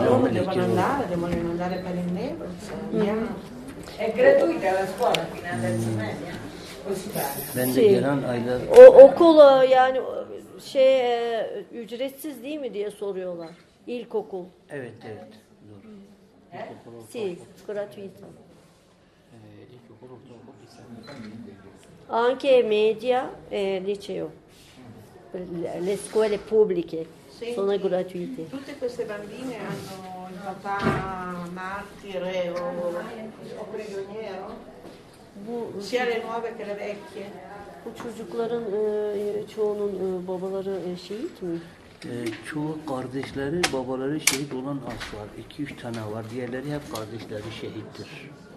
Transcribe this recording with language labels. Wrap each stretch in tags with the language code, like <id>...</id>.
<it>Devono andare per il Nevrus. È gratuita la scuola fino a terza media. Così va. Sì.</it> <tr>O okulu yani şey ücretsiz değil mi diye soruyorlar. İlkokul. Evet, evet. Doğru.</tr> <it>Sì, gratuito.</it> <tr>İlkokul ortaokul ise.</tr> <it>Anche media e liceo. Le scuole pubbliche sì, sono gratuite. Tutte queste bambine hanno il papà martire o prigioniero? Sia le nuove che le vecchie.</it> <tr>Bu çocukların çoğunun babaları şehit mi? Çoğu kardeşleri, babaları şehit olan az var. 2-3 tane var. Diğerleri hep kardeşleri şehittir.</tr>